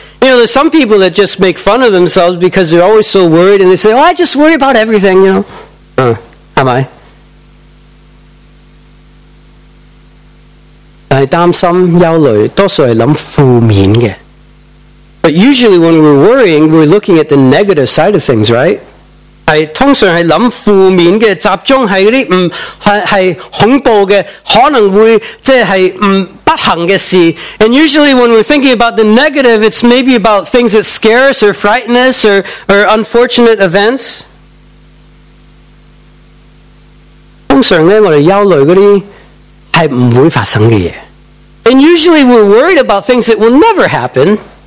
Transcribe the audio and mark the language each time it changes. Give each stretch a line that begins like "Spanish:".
English: You know, there's some people that just make fun of themselves because they're always so worried, and they say, "Oh, I just worry about everything." You know, am I?
Cantonese: 但系担心、忧虑，多数系谂负面嘅。
English: But usually, when we're worrying, we're looking at the negative side of things, right?
Cantonese: 系通常系谂负面嘅，集中喺嗰啲恐怖嘅，可能会即系不幸嘅事。
English: And usually, when we're thinking about the negative, it's maybe about things that scare us or frighten us or unfortunate events.
Cantonese: 通常咧，我哋忧虑嗰啲。
English: And usually we're worried about things that will never happen.